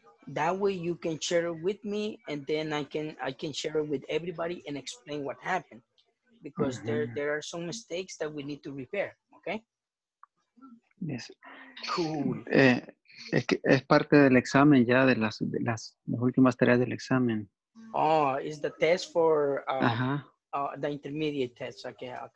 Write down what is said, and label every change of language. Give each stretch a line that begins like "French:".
English: That way you can share it with me, and then I can share it with everybody and explain what happened, because mm-hmm. there are some mistakes that we need to repair. Okay. Yes. Cool.
Spanish: Es parte del examen ya de las últimas tareas del examen.
English: Oh, is the test for the intermediate test. Okay.